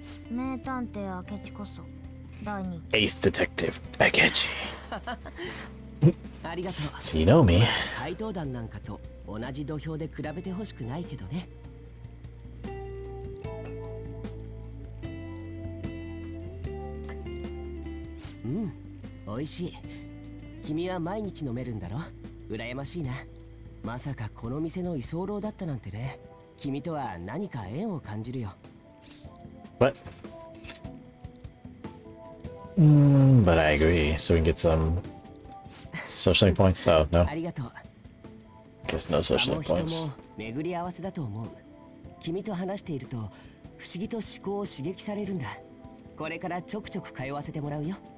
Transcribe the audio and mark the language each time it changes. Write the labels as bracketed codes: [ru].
[ja] 名探偵明智こそ第二。エイスディテクティブ。明智。ありがとう。そう、 [en] you know me。 [ja] 怪盗団なんかと同じ土俵で比べてほしくないけどね。うん、美味しい。君は毎日飲めるんだろ？羨ましいな。まさかこの店の居候だったなんてね。君とは何か縁を感じるよ。 [en] But, but I agree, so we can get some social link points. Oh, no. I guess no social link points. [ja] あの人も巡り合わせだと思う。君と話していると不思議と思考を刺激されるんだ。これからちょくちょく通わせてもらうよ。